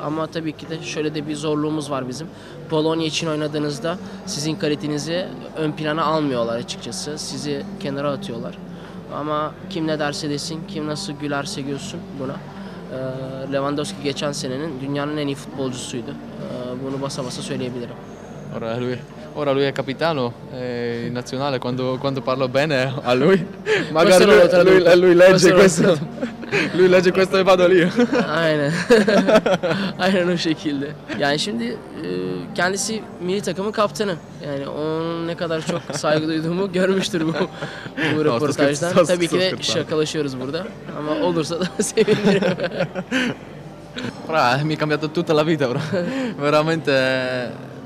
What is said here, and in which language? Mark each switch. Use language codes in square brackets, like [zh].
[tr] Ama tabii ki de şöyle de bir zorluğumuz var bizim. Polonya için oynadığınızda sizin kalitenizi ön plana almıyorlar açıkçası. Sizi kenara atıyorlar. Ama kim ne derse desin, kim nasıl gülerse gülsün buna. Lewandowski geçen senenin dünyanın en iyi futbolcusuydu. Bunu basa basa söyleyebilirim. [it] Ora lui è capitano in nazionale, quando parlo bene a lui, magari lui legge questo, lui legge questo e vado lì. [tr] Aynen. Aynen o şekilde. Yani şimdi kendisi milli takımın kaptanı. Yani onun ne kadar çok saygı duyduğumu görmüştür bu röportajdan. Tabii ki de şakalaşıyoruz burada. Ama olursa da sevinirim. [it] Ora mi ha cambiato tutta la vita, bro. Veramente.